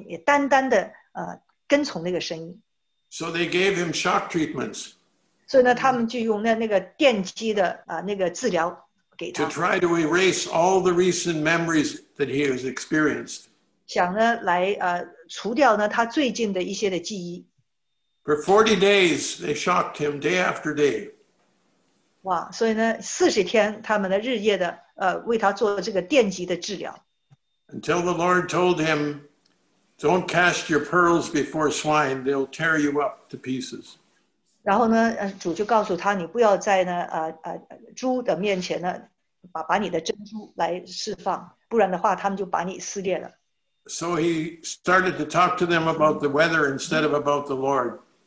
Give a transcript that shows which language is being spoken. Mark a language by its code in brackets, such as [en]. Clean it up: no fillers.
[zh] 他说呢，但是这个是我听到是，但是不是像你的声音，是在我灵里听到的声音。我是那个羊，我会听那个声音，也单单的跟从那个声音。 [en] So they gave him shock treatments. [zh] 所以呢，他们就用那个电击的那个治疗给他。 [en] To try to erase all the recent memories that he has experienced. [zh] 想呢来除掉呢他最近的一些的记忆。 [en] For 40 days, they shocked him day after day. [zh] 哇, 所以呢, 40天, 他们的日夜的, 为他做这个电击的治疗。 [en] Until the Lord told him, don't cast your pearls before swine, they'll tear you up to pieces. [zh] 然后呢, 主就告诉他, 你不要在呢, 猪的面前呢, 把你的珍珠来释放, 不然的话, 他们就把你撕裂了。 [en] He started to talk to them about the weather instead of about the Lord.